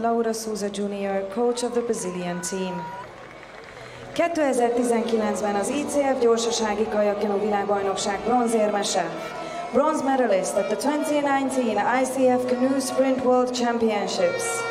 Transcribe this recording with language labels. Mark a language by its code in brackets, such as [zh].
[en] Laura Souza Jr., coach of the Brazilian team. [hu] 2019-ben az ICF gyorsasági kajakkenu világbajnokság bronzérmese. [en] Bronze medalist at the 2019 ICF Canoe Sprint World Championships.